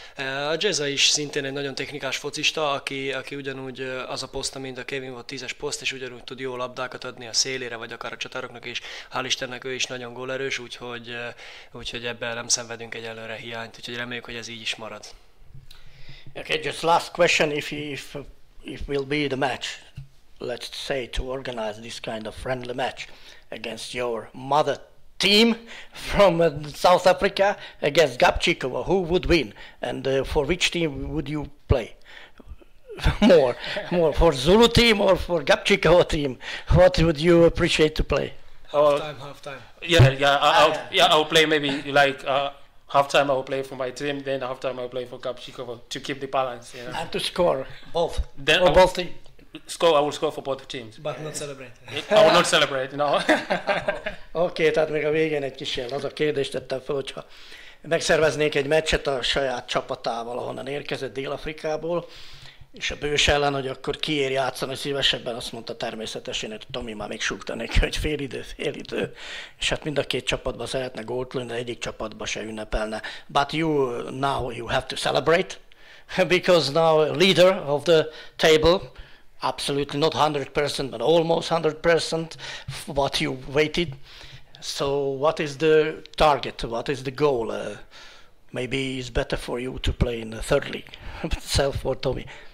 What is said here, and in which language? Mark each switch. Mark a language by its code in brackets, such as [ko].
[hu] A Jazza is szintén egy nagyon technikás focista, aki ugyanúgy az a poszt, mint a Kevin volt, 10-es poszt, és ugyanúgy tud jó labdákat adni a szélére, vagy akár a csatároknak, és hál' Istennek ő is nagyon gólerős, úgyhogy ebben nem szenvedünk egyelőre hiányt, úgyhogy reméljük, hogy ez így is marad. [en] Okay, just last question, if will be the match, let's say, to organize this kind of friendly match against your mother team from South Africa against Gabčíková, who would win and for which team would you play more for Zulu team or for Gabčíková team, what would you appreciate to play? I'll play maybe like half time I will play for my team, then half time I will play for Gabčíková to keep the balance. You know? And to score both. Then for both teams. I will score for both teams. But not celebrate. I will not celebrate, no. [hu] Okay, tehát még a végén egy kis ilyen, az a kérdést tettem fel, hogyha megszerveznék egy meccset a saját csapatával, ahonnan érkezett Dél-Afrikából, és a Bős ellen, hogy akkor kiér játszani szívesebben, azt mondta természetesen, hogy Tomi már még súgta neki, hogy fél idő. És hát mind a két csapatban szeretne gólt lőni, de egyik csapatban se ünnepelne. [en] But you, now you have to celebrate, because now leader of the table, absolutely not 100%, but almost 100% what you waited. So what is the target, what is the goal? Maybe it's better for you to play in the third league, self for Tomi.